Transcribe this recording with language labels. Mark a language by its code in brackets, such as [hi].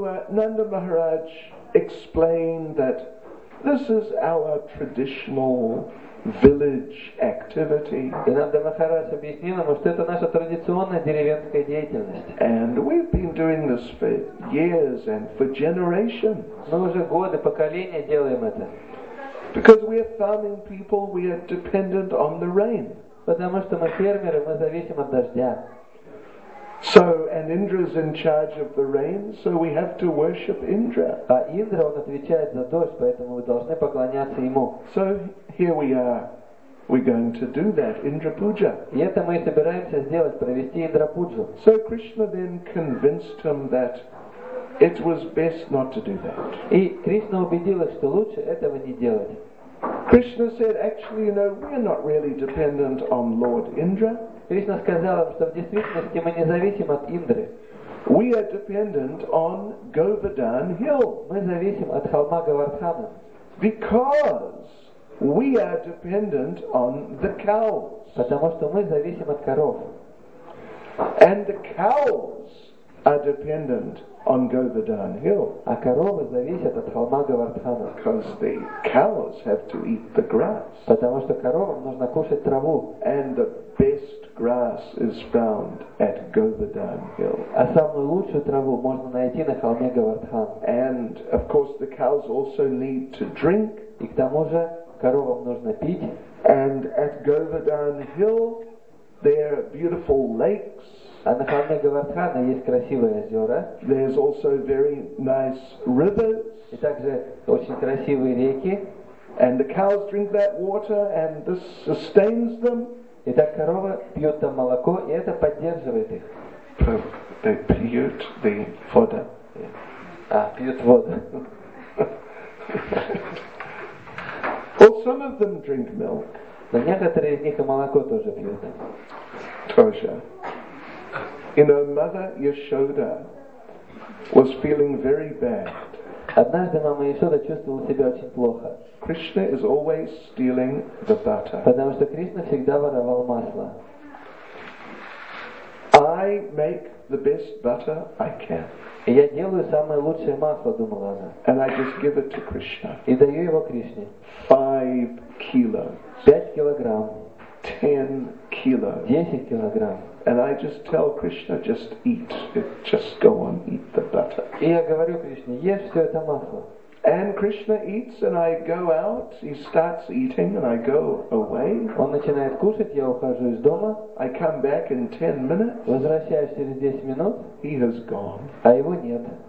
[en] Nanda Maharaj explained that this is our traditional village activity. [ru] И Нанда Махарадж объяснил ему, что это наша традиционная деревенская деятельность. [en] And we've been doing this for years and for generations. [ru] Мы уже годы, поколения делаем это. [en] Because we are farming people, we are dependent on the rain. [ru] Потому что мы фермеры, мы зависим от дождя. [en] So, and Indra's in charge of the rain, so we have to worship Indra. [ru] А Индра, он отвечает за дождь, поэтому мы должны поклоняться ему. [en] So, here we are. We're going to do that, Indra Puja. [ru] И это мы собираемся сделать, провести Индра Пуджу. [en] So, Krishna then convinced him that it was best not to do that. [ru] И Кришна убедил их, что лучше этого не делать. [en] Krishna said, actually, you know, we're not really dependent on Lord Indra. [ru] Кришна сказала, что в действительности мы не зависим от Индры. [en] We are dependent on Govardhan Hill. [ru] Мы зависим от холма Говардхана. [en] Because we are dependent on the cows. [ru] Потому что мы зависим от коров. [en] And the cows are dependent on Govardhan Hill. [ru] А коровы зависят от холма Говардхана. [en] Because the cows have to eat the grass. [ru] Потому что коровам нужно кушать траву. [en] And the best grass is found at Govardhan Hill. [ru] А самую лучшую траву можно найти на холме Говардхан. [en] And of course the cows also need to drink. [ru] И к тому же коровам нужно пить. [en] And at Govardhan Hill there are beautiful lakes. [ru] А на холме Говардхана есть красивые озера. [en] There's also very nice rivers. [ru] И также очень красивые реки. [en] And the cows drink that water and this sustains them. [ru] И так корова пьет там молоко, и это поддерживает их. [en] They [ru] pьют [en] the fodder. [ru] А, пьют воду. [en] Well, some of them drink milk. [ru] Но некоторые из них и молоко тоже пьют. Тоже. [en] You know, Mother Yashoda was feeling very bad. [ru] Однажды мама Яшода чувствовала себя очень плохо. [en] Krishna is always stealing the butter. [ru] Потому что Кришна всегда воровал масло. [en] I make the best butter I can. [ru] И я делаю самое лучшее масло, думала она. [en] And I just give it to Krishna. [ru] И даю его Кришне. [en] 5 kilos. 5 kilograms. 10 kilos. 10 kilograms. And I just tell Krishna, just eat it. Just go on, eat the butter. [ru] И я говорю Кришне, ешь все это масло. [en] And Krishna eats, and I go out. He starts eating, and I go away. [ru] Он начинает кушать, я ухожу из дома. [en] I come back in 10 minutes. [ru] Возвращаюсь через 10 минут. [en] He has gone. [ru] А его нет.